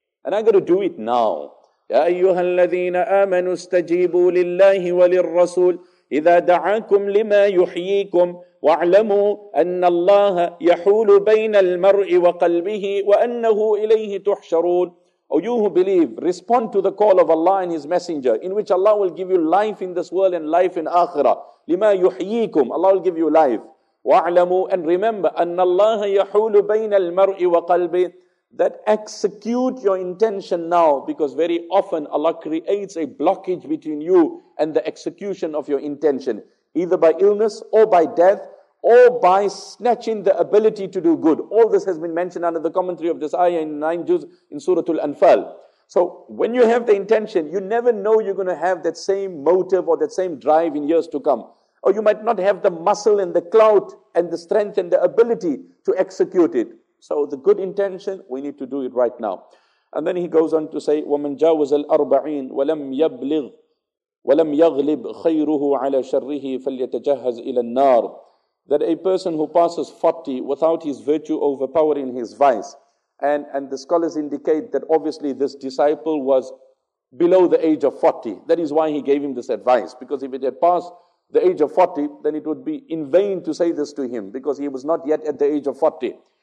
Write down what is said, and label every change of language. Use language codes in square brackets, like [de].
[en] And I'm going to do it now. [ar] يَا أَيُّهَا الَّذِينَ آمَنُوا اسْتَجِيبُوا لِلَّهِ وَلِلرَّسُولِ إِذَا دَعَاكُمْ لِمَا يُحْيِيكُمْ وَاعْلَمُوا أَنَّ اللَّهَ يَحُولُ بَيْنَ الْمَرْءِ وَقَلْبِهِ وَأَنَّهُ إِلَيْهِ تُحْشَرُونَ. [en] O you who believe, respond to the call of Allah and His Messenger, in which Allah will give you life in this world and life in Akhirah. [ar] لِمَا يُحْيِيكُمْ. [en] Allah will give you life. [ar] وَاعْلَمُوا. [en] And remember, [ar] أَنَّ اللَّهَ يَحُولُ بَيْنَ الْمَرْءِ وَقَلْبِهِ. [en] That execute your intention now, because very often Allah creates a blockage between you and the execution of your intention, either by illness or by death or by snatching the ability to do good. All this has been mentioned under the commentary of this ayah in 9 juz in Surah Al-Anfal. So when you have the intention, you never know you're going to have that same motive or that same drive in years to come. Or you might not have the muscle and the clout and the strength and the ability to execute it. So the good intention, we need to do it right now. And then he goes on to say, [ar] وَمَنْ جَاوَزَ الْأَرْبَعِينَ وَلَمْ يَبْلِغْ وَلَمْ يَغْلِبْ خَيْرُهُ عَلَى شَرِّهِ فَلْيَتَجَهَّزْ إِلَى النَّارِ. [en] That a person who passes 40 without his virtue overpowering his vice. And the scholars indicate that obviously this disciple was below the age of 40. That is why he gave him this advice. Because if it had passed the age of 40, then it would be in vain to say this to him, because he was not yet at the age of 40.